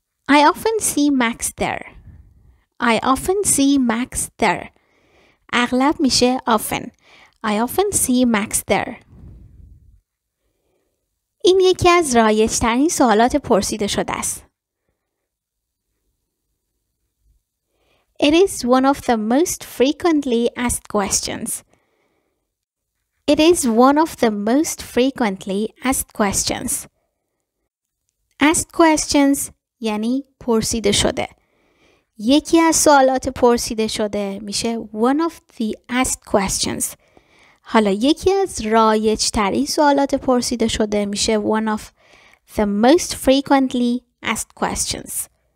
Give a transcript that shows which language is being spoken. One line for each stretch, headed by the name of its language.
English: I often see Max there. I often see Max there.
Persian: اغلب میشه
English: often. I often see Max there.
Persian: این یکی از رایج‌ترین سوالات پرسیده شده است.
English: It is one of the most frequently asked questions. It is one of the most frequently asked questions. Asked questions
Persian: یعنی پرسیده شده. یکی از سوالات پرسیده شده میشه
English: one of the asked questions.
Persian: حالا یکی از رایج‌ترین سوالات پرسیده شده میشه
English: one of the most frequently asked questions.